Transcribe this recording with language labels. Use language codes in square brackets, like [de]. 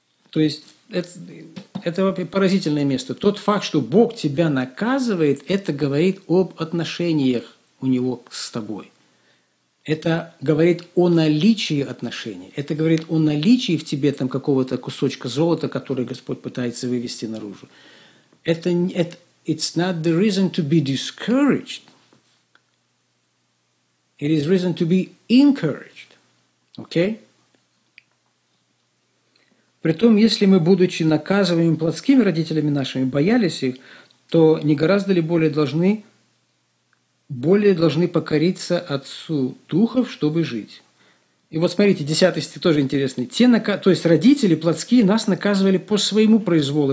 [ru] То есть это поразительное место. Тот факт, что Бог тебя наказывает, это говорит об отношениях у Него с тобой. Это говорит о наличии отношений. Это говорит о наличии в тебе там какого-то кусочка золота, который Господь пытается вывести наружу. [en] It's not the reason to be discouraged. It is reason to be encouraged. Okay? [ru] Притом, если мы, будучи наказываемыми плотскими родителями нашими, боялись их, то не гораздо ли более должны покориться Отцу Духов, чтобы жить? И вот смотрите, 10 стих тоже интересный. То есть родители плотские нас наказывали по своему произволу.